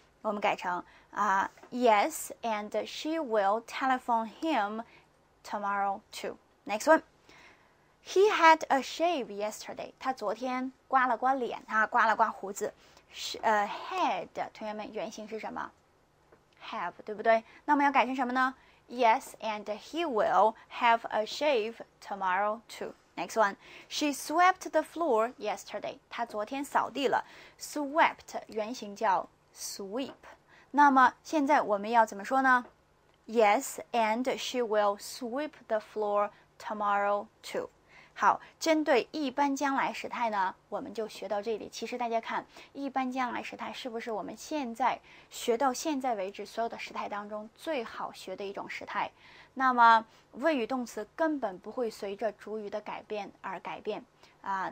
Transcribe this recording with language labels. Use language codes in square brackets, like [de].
[zh] 我们改成 [en] Yes, and she will telephone him tomorrow too. Next one, he had a shave yesterday. [zh] 她昨天刮了刮脸，刮了刮胡子。 Had， 同学们，原型是什么？Have， 对不对？那我们要改成什么呢？ [en] Yes, and he will have a shave tomorrow too. Next one, she swept the floor yesterday. [zh] 她昨天扫地了。 Swept 原型叫 sweep， 那么现在我们要怎么说呢？ [en] Yes, and she will sweep the floor tomorrow too. [zh] 好，针对一般将来时态呢，我们就学到这里。其实大家看，一般将来时态是不是我们现在学到现在为止所有的时态当中最好学的一种时态？那么谓语动词根本不会随着主语的改变而改变啊。